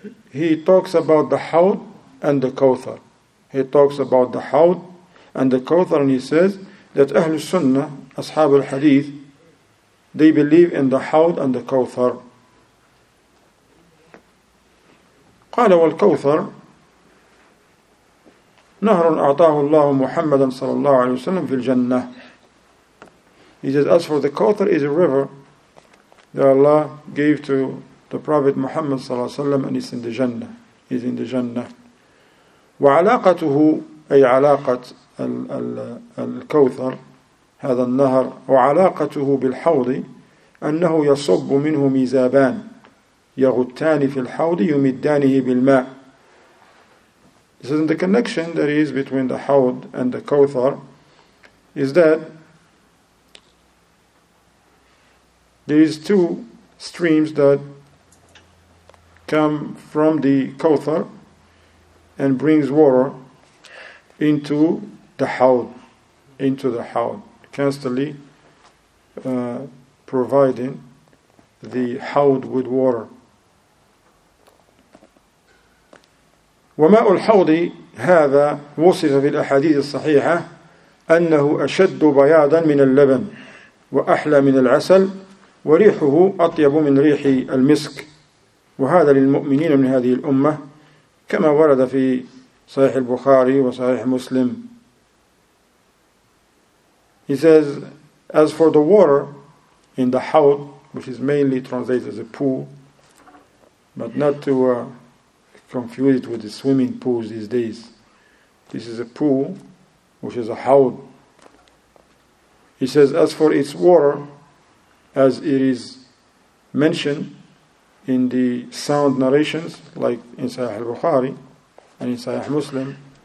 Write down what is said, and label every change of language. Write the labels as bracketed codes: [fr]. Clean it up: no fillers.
[en] he talks about the Hawd and the Kawthar. He talks about the Hawd and the Kawthar, and he says that Ahlul Sunnah, Ashab al-Hadith, they believe in the Hawd and the Kawthar. [ar] قال والكوثر نهر أعطاه الله محمدا صلى الله عليه وسلم في الجنة. [en] He says, as for the Kawthar, is a river that Allah gave to the Prophet Muhammad [ar] صلى الله عليه وسلم, [en] and it's in the Jannah. He's in the Jannah. [ar] وعلاقته أي علاقة الكوثر هذا النهر وعلاقته بالحوض أنه يصب منه ميزابان يغتان في الحوض يمدانه بالماء. [en] This is the connection that is between the Hawd and the Kawthar, is that there is two streams that come from the Kawthar and brings water into the Hawd, constantly providing the Hawd with water. [ar] وماء الحوض هذا وصف في الأحاديث الصحيحة أنه أشد بياضا من اللبن وأحلى من العسل وريحه أطيب من ريح المسك وهذا للمؤمنين من هذه الأمة كما ورد في صحيح البخاري وصحيح مسلم. [en] He says, as for the water in the Hawd, which is mainly translated as a pool, but not to confuse it with the swimming pools these days. This is a pool, which is a Hawd. He says, as for its water, as it is mentioned in the sound narrations, like in Sahih al-Bukhari and in Sahih Muslim,